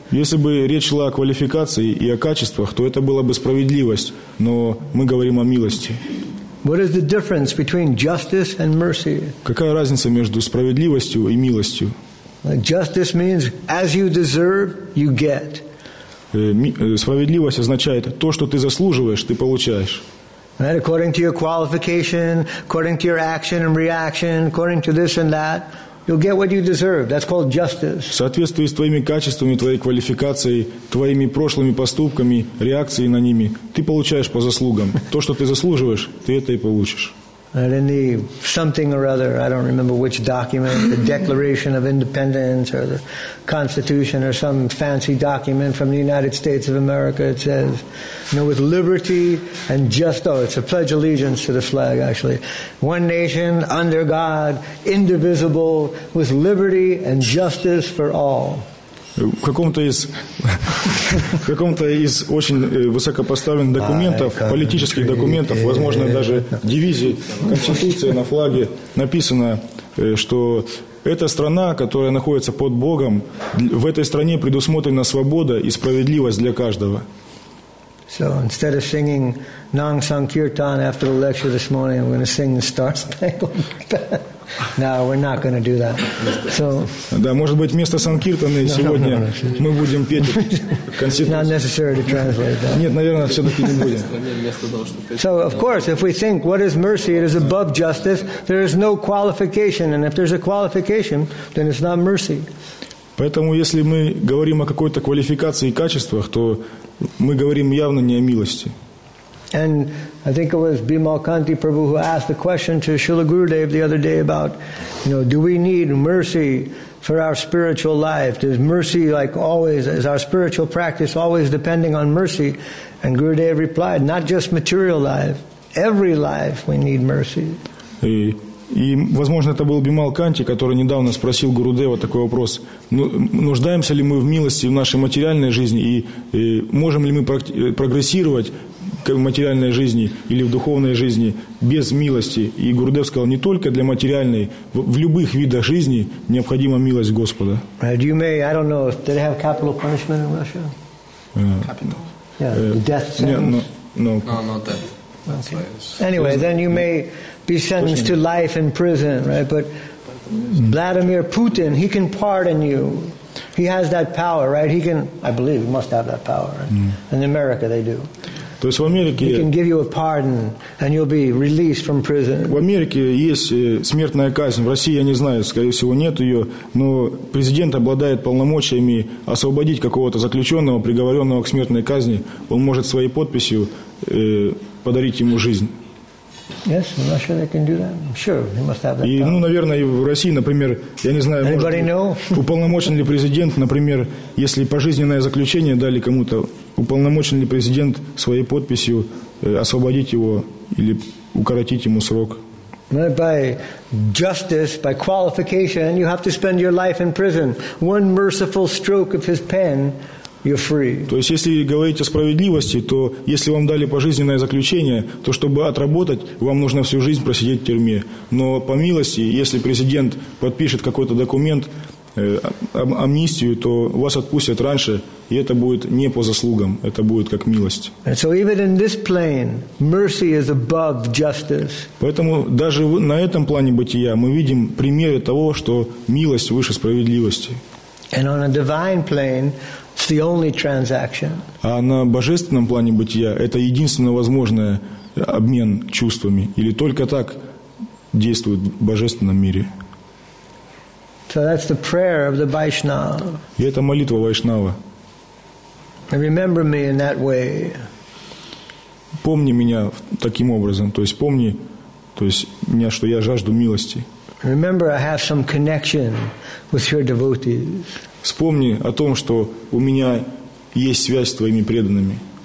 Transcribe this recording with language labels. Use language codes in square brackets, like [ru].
[ru] Если бы речь шла о квалификации и о качествах, то это была бы справедливость. Но мы говорим о милости. [en] What is the difference between justice and mercy? [ru] Какая разница между справедливостью и милостью? [en] Justice means as you deserve, you get. [ru] Справедливость означает то, что ты заслуживаешь, ты получаешь. [en] Right? According to your qualification, according to your action and reaction, according to this and that, you'll get what you deserve. That's called justice. [ru] В соответствии с твоими качествами, твоей квалификацией, твоими прошлыми поступками, реакцией на ними, ты получаешь по заслугам. То, что ты заслуживаешь, ты это и получишь. [en] In the something or other, I don't remember which document, the Declaration of Independence or the Constitution or some fancy document from the United States of America, it says, you know, with liberty and justice, it's a pledge of allegiance to the flag, actually. One nation, under God, indivisible, with liberty and justice for all. [ru] В каком-то из очень высокопоставленных документов, политических документов, возможно, даже дивизии, конституции на флаге написано, что эта страна, которая находится под Богом, в этой стране предусмотрена свобода и справедливость для каждого. [en] So instead of singing Nong Sankirtan after the lecture this morning, I'm going to sing the Star Spangled Banner. No, we're not going to do that. So. [ru] Да, может быть, вместо Санкиртаны сегодня мы будем петь Конституцию. [en] Not necessary to translate that. [ru] Нет, наверное, все-таки не будем. [en] So, of course, if we think what is mercy, it is above justice, there is no qualification. And if there's a qualification, then it's not mercy. [ru] Поэтому, если мы говорим о какой-то квалификации и качествах, то мы говорим явно не о милости. [en] And I think it was Bimal Kanti Prabhu who asked the question to Srila Gurudev the other day about, you know, do we need mercy for our spiritual life? Does mercy, like always, is our spiritual practice always depending on mercy? And Gurudev replied, not just material life, every life we need mercy. [ru] И, возможно, это был Бимал Канти, который недавно спросил Гурудева такой вопрос. Нуждаемся ли мы в милости в нашей материальной жизни? И можем ли мы прогрессировать в материальной жизни или в духовной жизни без милости? И Гурудев сказал, не только для материальной, в любых видах жизни необходима милость Господа. [en] You may, I don't know, do they have capital punishment in Russia? Death sentence? No, not death. Okay. Anyway, then you may be sentenced to life in prison, right? But Vladimir Putin, he can pardon you. He has that power, right? He can, I believe, he must have that power. Right? In America, they do. [ru] То есть в Америке, [en] he can give you a pardon, and you'll be released from prison. [ru] В Америке есть смертная казнь. В России, я не знаю, скорее всего, нет ее. Но президент обладает полномочиями освободить какого-то заключенного, приговоренного к смертной казни. Он может своей подписью подарить ему жизнь. [en] Yes, I'm not sure they can do that. I'm sure he must have that. [ru] И, ну, наверное, в России, например, я не знаю, [en] anybody [ru] может, [en] know? [ru] Уполномочен ли президент, например, если пожизненное заключение дали кому-то, уполномочен ли президент своей подписью освободить его или укоротить ему срок? [en] By justice, by qualification, you have to spend your life in prison. One merciful stroke of his pen, you're free. [ru] То есть, если говорить о справедливости, то если вам дали пожизненное заключение, то чтобы отработать, вам нужно всю жизнь просидеть в тюрьме. Но по милости, если президент подпишет какой-то документ, амнистию, то вас отпустят раньше, и это будет не по заслугам, это будет как милость. [en] And so even in this plane, mercy is above justice. [ru] Поэтому даже на этом плане бытия мы видим примеры того, что милость выше справедливости. [en] And on a divine plane, it's the only transaction. [ru] А на божественном плане бытия это единственно возможный обмен чувствами. Или только так действует в божественном мире. [en] So that's the prayer of the Vaishnava. [ru] И это молитва Вайшнава. [en] Remember me in that way. [ru] Помни меня таким образом. То есть помни, то есть меня, что я жажду милости. [en] Remember, I have some connection with your devotees. [ru] Вспомни о том, что у меня есть связь с твоими преданными.